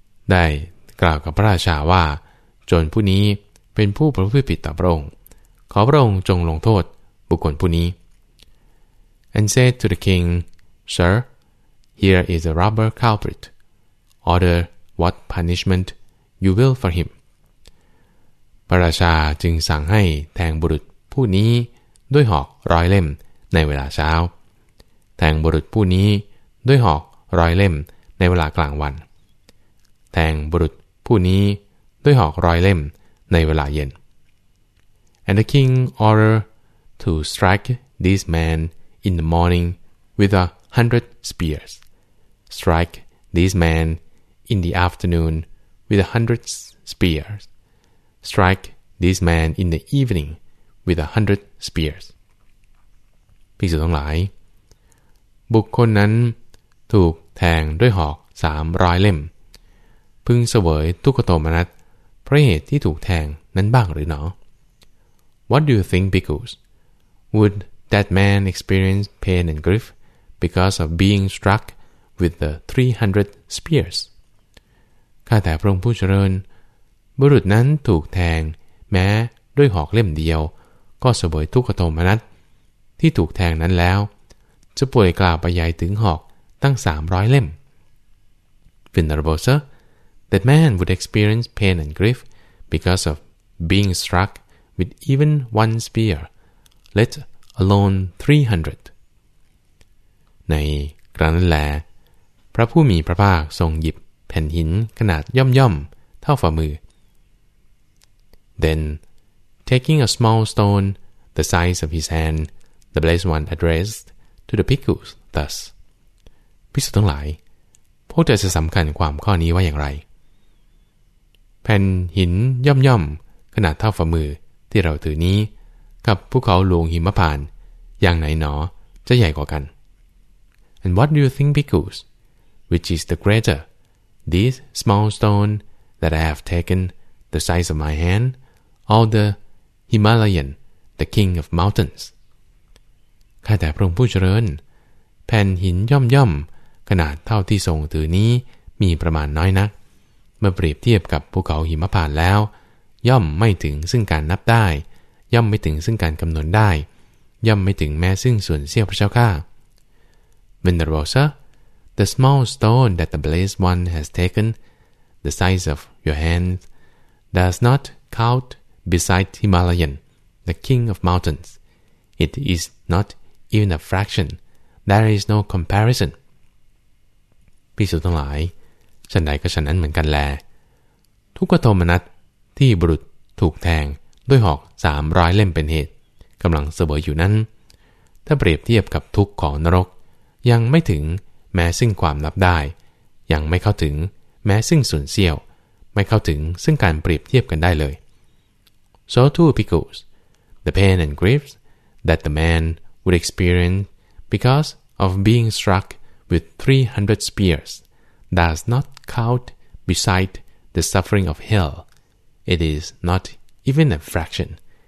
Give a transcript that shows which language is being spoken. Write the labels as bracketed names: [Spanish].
[Thai] ได้กล่าวกับพระราชาว่าโจรผู้นี้เป็นผู้ประพฤติผิดต่อพระองค์ขอพระองค์จงลงโทษบุคคลผู้นี้ [English] And said to the king, Sir, here is a robber culprit. Order what punishment you will for him. [Thai] พระราชาจึงสั่งให้แทงบุรุษผู้นี้ด้วยหอกร้อยเล่มในเวลาเช้าแทงบุรุษผู้นี้ด้วยหอกร้อยเล่มในเวลากลางวัน แทงบุรุษผู้นี้ด้วยหอกร้อยเล่มในเวลาเย็น [English] And the king ordered to strike this man in the morning with 100 spears, strike this man in the afternoon with 100 spears, strike this man in the evening with 100 spears. [Thai] ภิกษุทั้งหลายบุคคลนั้นถูกแทงด้วยหอก300 เล่มพึงเสวยทุกขโทมนัสเพราะเหตุที่ถูกแทงนั้นบ้างหรือหนอ [English] What do you think, bhikkhus? Would that man experience pain and grief because of being struck with the 300 spears? [Thai] ข้าแต่พระองค์ผู้เจริญบุรุษนั้นถูกแทงแม้ด้วยหอกเล่มเดียวก็เสวยทุกขโทมนัสที่ถูกแทงนั้นแล้วจะป่วยกล่าวไปใหญ่ถึงหอกตั้ง300เล่ม [English] Venerable sir, that man would experience pain and grief because of being struck with even one spear, let alone 300. [Thai] ในครั้งนั้นแลพระผู้มีพระภาคทรงหยิบแผ่นหินขนาดย่อมๆเท่าฝ่ามือ [English] Then, taking a small stone the size of his hand, the Blessed One addressed to the bhikkhus thus. [Thai] ภิกษุทั้งหลายพวกเธอจะสำคัญความข้อนี้ว่าอย่างไร แผ่นหินย่อมๆขนาดเท่าฝ่ามือที่เราถือนี้กับภูเขาหลวงหิมพานต์อย่างไหนหนอจะใหญ่กว่ากัน [English] And what do you think, bhikkhus? Which is the greater? This small stone that I have taken, the size of my hand, or the Himalayan, the king of mountains. [Thai] ข้าแต่พระองค์ผู้เจริญแผ่นหินย่อมย่อมขนาดเท่าที่ทรงถือนี้มีประมาณน้อยนักเมื่อเปรียบเทียบกับภูเขาหิมพานต์แล้วย่อมไม่ถึงซึ่งการนับได้ย่อมไม่ถึงซึ่งการกำหนดได้ย่อมไม่ถึงแม้ซึ่งส่วนเสี้ยวพระเจ้าข้า [English] Venerable sirThe small stone that the Blessed One has taken, the size of your hand, does not count beside Himalayan, the king of mountains. It is not even a fraction. There is no comparison. [Thai] ภิกษุทั้งหลายฉันใดก็ฉันนั้นเหมือนกันแลทุกขโทมนัสที่บุรุษถูกแทงด้วยหอก300เล่มเป็นเหตุกำลังเสวยอยู่นั้นถ้าเปรียบเทียบกับทุกข์ของนรกยังไม่ถึงแม้ซึ่งความนับได้ยังไม่เข้าถึงแม้ซึ่งส่วนเสี้ยวไม่เข้าถึงซึ่งการเปรียบเทียบกันได้เลย [English] So too, bhikkhus, the pain and grief that the man would experience because of being struck with 300 spears does not count beside the suffering of hell. It is not even a fraction.